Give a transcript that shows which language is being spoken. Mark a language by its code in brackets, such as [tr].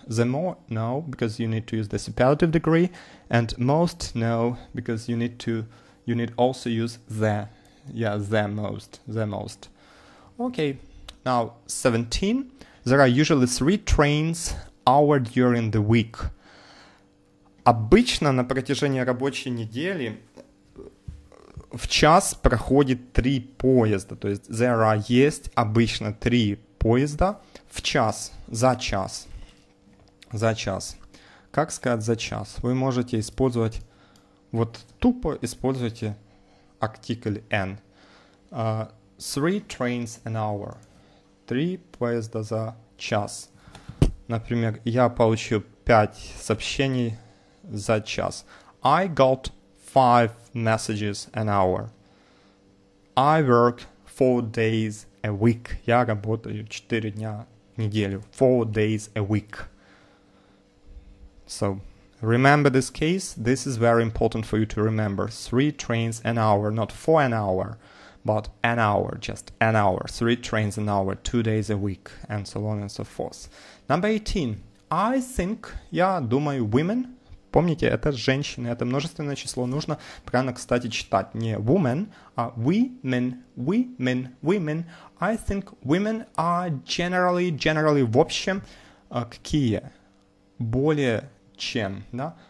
[en] The more, no, because you need to use the superlative degree. And most, no, because you need also use the. Yeah, the most. Okay, now 17. There are usually 3 trains hour during the week. [ru] Обычно на протяжении рабочей недели в час проходит 3 поезда. То есть [en] there are, [ru] есть обычно 3 поезда в час, за час. За час. Как сказать за час? Вы можете использовать, вот тупо используйте артикль n. [en] Three trains an hour. [ru] 3 поезда за час. Например, я получу 5 сообщений за час. [en] I got 5 messages an hour. I work 4 days a week. [ru] Я работаю 4 дня в неделю. [en] 4 days a week. So, remember this case. This is very important for you to remember. 3 trains an hour, not 4 an hour, but an hour, just an hour. 3 trains an hour, 2 days a week, and so on and so forth. Number 18. I think, [ru] я думаю, [en] women. [ru] Помните, это женщины, это множественное число. Нужно правильно, кстати, читать не women, а women. [en] I think women are generally, [ru] в общем, какие? Более чем, да?